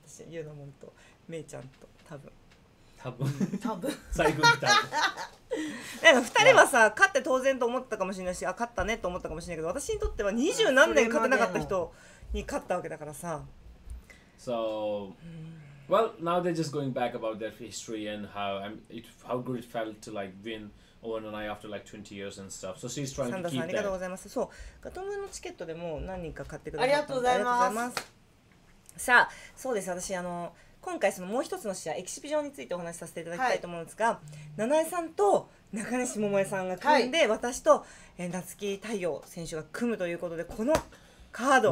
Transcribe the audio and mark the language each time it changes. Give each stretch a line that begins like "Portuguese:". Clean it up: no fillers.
Japanese: 私ユナモンとメイちゃんと多分最後みたいな。2人はさ、
English: yeah.
Japanese: 勝って当然と思ったかもしれないし、あ、勝ったねと思ったかもしれないけど、私にとっては二十何年勝てなかった人に勝ったわけだからさ。
English: So well, now they're just going back about their history and how good it felt to like win Owen and I after like 20 years and stuff. So she's trying to keep that. サンダさん、
Japanese: ありがとうございます。そう、ガトムのチケットでも何人か買ってくださったので、ありがとうございます。さあ、そうです、私あの今回そのもう一つの試合、エキシビジョンについてお話しさせていただきたいと思うんですが、はい、七重さんと中西桃江さんが組んで、はい、私と夏木太陽選手が組むということで、このカード